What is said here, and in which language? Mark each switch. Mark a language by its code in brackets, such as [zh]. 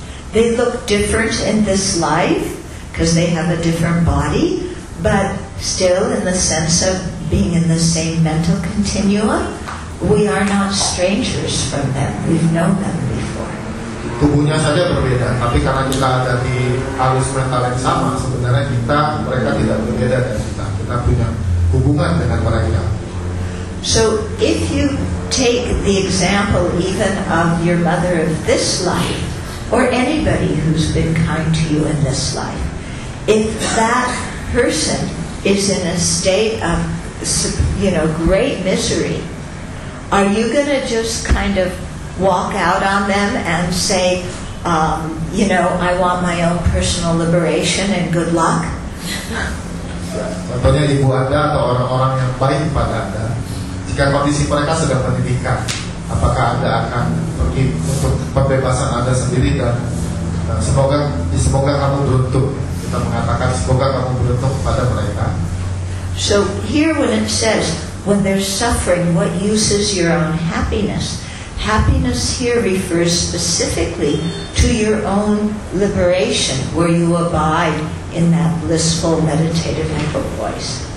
[en] They look different in this life because they have a different body, but still, in the sense of being in the same mental continuum, we are not strangers from them. We've known them before. [id] Tubuhnya saja berbeda, tapi karena kita ada di arus mental yang sama, sebenarnya kita, mereka tidak berbeda dari kita. Kita punya hubungan dengan mereka. [en] So, if you take the example even of your mother of this life, or anybody who's been kind to you in this life, if that person is in a state of, you know, great misery, are you going to just kind of walk out on them and say, you know, I want my own personal liberation and good luck? [id] Contohnya ibu Anda atau orang-orang yang baik pada Anda, jika kondisi mereka sedang menitikkan, apakah Anda akan pergi untuk pembebasan Anda sendiri dan semoga kamu beruntung. Kita mengatakan semoga kamu beruntung kepada mereka. [en] So here when it says, when there's suffering, what use is your own happiness? Happiness here refers specifically to your own liberation, where you abide in that blissful meditative equipoise.